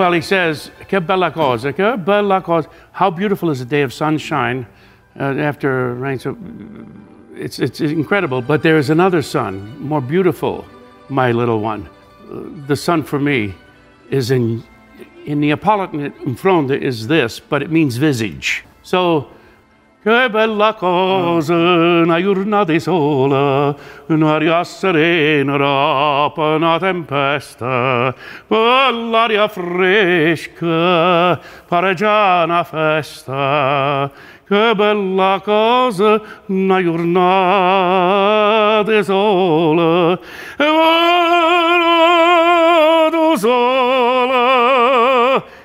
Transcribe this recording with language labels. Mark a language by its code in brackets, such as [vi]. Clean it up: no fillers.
[en] Well, he says, [it] che bella cosa, che bella cosa. [en] How beautiful is a day of sunshine after rain. So it's incredible. But there is another sun, more beautiful, my little one. The sun for me is in... in Neapolitan, in fronde is this, but it means visage. [it] So, che bella cosa, una giornata di sole, un'aria serena dopo una tempesta, quell'aria fresca, pare già una festa, che bella cosa, una giornata di sole, e vado sola.